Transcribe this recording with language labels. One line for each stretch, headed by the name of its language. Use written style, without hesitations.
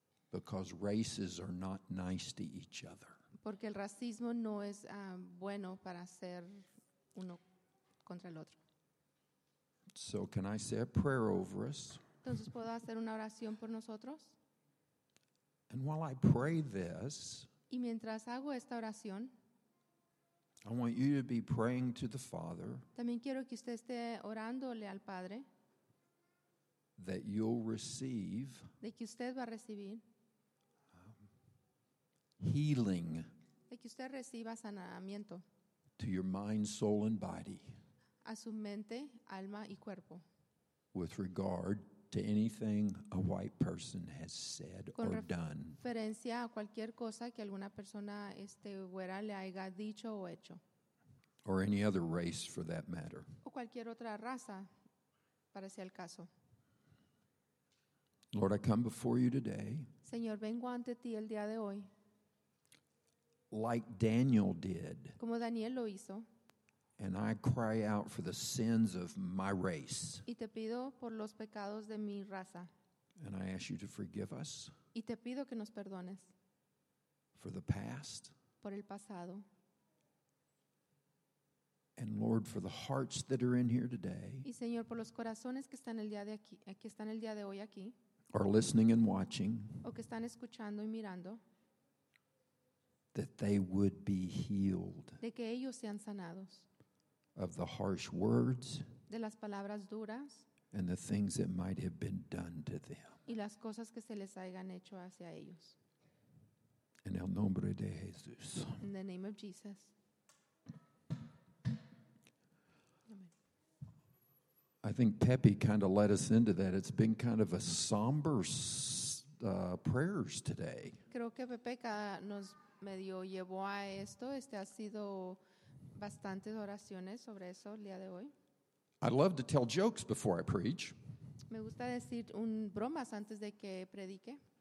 English: Because races are not nice to each other.
Spanish: Porque el racismo no es bueno para ser uno contra el otro.
English: So can I say a prayer over us?
Spanish: Entonces puedo hacer una oración por nosotros.
English: And while I pray this.
Spanish: Y mientras hago esta oración.
English: I want you to be praying to the Father.
Spanish: También quiero que usted esté orándole al Padre.
English: That you'll receive.
Spanish: De que usted va a recibir.
English: Healing.
Spanish: De que usted reciba sanamiento.
English: To your mind, soul, and body.
Spanish: A su mente, alma y cuerpo.
English: With regard to anything a white person has said
Spanish: con
English: or done.
Spanish: Referencia a cualquier cosa que alguna persona güera le haya dicho o hecho.
English: Or any other race for that matter.
Spanish: O cualquier otra raza, para ser el caso.
English: Lord, I come before you today.
Spanish: Señor, vengo ante ti el día de hoy.
English: Like Daniel did.
Spanish: Como Daniel lo hizo.
English: And I cry out for the sins of my race.
Spanish: Y te pido por los pecados de mi raza.
English: And I ask you to forgive us.
Spanish: Y te pido que nos perdones.
English: For the past.
Spanish: Por el pasado.
English: And Lord, for the hearts that are in here today.
Spanish: Y Señor, por los corazones que están el día de aquí, que están el día de hoy aquí.
English: Are listening and watching.
Spanish: O que están escuchando y mirando.
English: That they would be healed.
Spanish: De que ellos sean sanados.
English: Of the harsh words.
Spanish: De las palabras duras.
English: And the things that might have been done to them.
Spanish: Y las cosas que se les hayan hecho hacia ellos. En el nombre de Jesús.
English: In the name of Jesus. I think Pepe kind of led us into that. It's been kind of a somber prayers today.
Spanish: Creo que Pepe nos medio llevó a esto. Ha sido bastantes oraciones sobre eso el día de hoy.
English: I love to tell jokes before I preach.
Spanish: Me gusta decir un bromas antes de que predique.